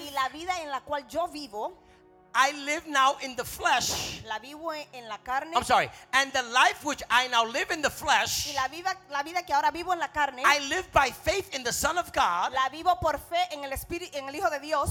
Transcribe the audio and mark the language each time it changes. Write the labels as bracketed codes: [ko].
[es] Y la vida en la cual yo vivo. [en] I live now in the flesh. [es] La vivo en la carne. [en] I'm sorry. And the life which I now live in the flesh. [es] Y la vida que ahora vivo en la carne. [en] I live by faith in the Son of God. [es] La vivo por fe en el Espíritu, en el Hijo de Dios.